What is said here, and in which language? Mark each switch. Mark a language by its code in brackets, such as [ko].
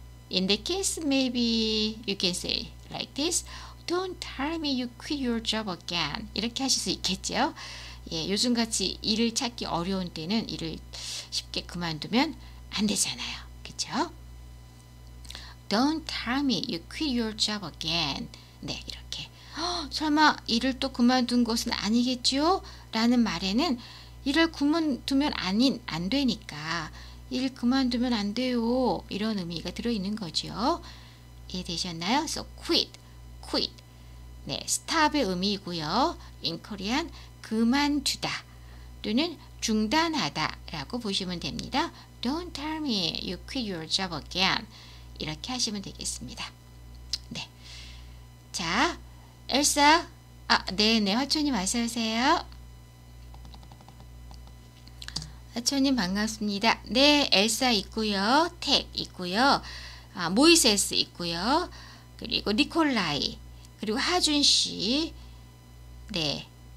[en] In the case, maybe you can say like this. Don't tell me you quit your job again. [ko] 이렇게 하실 수 있겠죠? 예, 요즘같이 일을 찾기 어려운 때는 일을 쉽게 그만두면 안 되잖아요. 그쵸? [en] Don't tell me you quit your job again. [ko] 네, 이렇게. 설마 일을 또 그만둔 것은 아니겠죠? 라는 말에는 일을 그만두면 안 되니까 일 그만두면 안 돼요. 이런 의미가 들어있는 거죠. 이해되셨나요? [en] So quit. quit. [ko] 네, stop의 의미이고요. [en] In Korean, [ko] 그만두다 또는 중단하다 라고 보시면 됩니다. [en] Don't tell me you quit your job again. [ko] 이렇게 하시면 되겠습니다. 네. 자, 엘사. 아, 네네. 화초님 어서 오세요. 화초님 반갑습니다. 네, 엘사 있고요. 택 있고요. 아, 모이세스 있고요. 그리고 니콜라이. 그리고 하준 씨, 네.